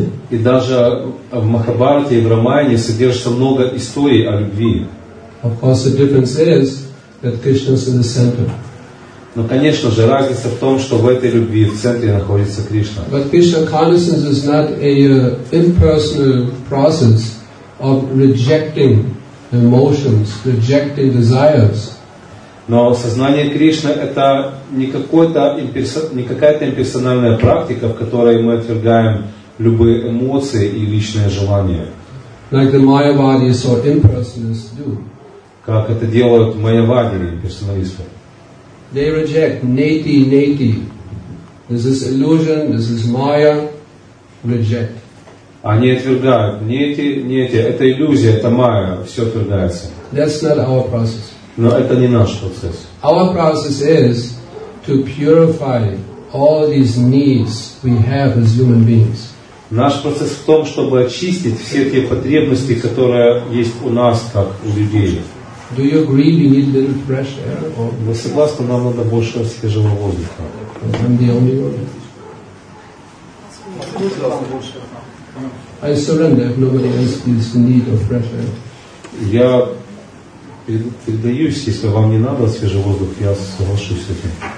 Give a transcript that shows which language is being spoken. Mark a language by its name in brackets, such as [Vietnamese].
[Russian] И даже в Махабхарате и в Рамаяне содержится много историй о любви. [English] Of course, the difference is that Krishna is in the center. [Russian] Но, конечно же, разница в том, что в этой любви в центре находится Кришна. [English] But Krishna consciousness is not a impersonal process of rejecting emotions, rejecting desires. [Russian] Но сознание Кришны — это не какая-то имперсональная практика, в которой мы отвергаем любые эмоции и личные желания. [English] Like the Mayavadis or impersonalists do. [Russian] Как это делают майявади и имперсоналисты. [English] They reject neti neti. This is illusion, this is maya, reject. [Russian] Они отвергают neti neti. Это иллюзия, это майя, все отвергается. [English] That's not our process. [Russian] Но это не наш процесс. [English] Our process is to purify all these needs we have as human beings. [Russian] Наш процесс в том, чтобы очистить все те потребности, которые есть у нас, как у людей. [English] Do you agree we need a little fresh air? [Russian] Вы согласны, нам надо больше свежего воздуха? [English] I'm the only one. I surrender if nobody else needs the need of fresh air. [Russian] Я передаюсь, если вам не надо свежий воздух, я соглашусь с этим.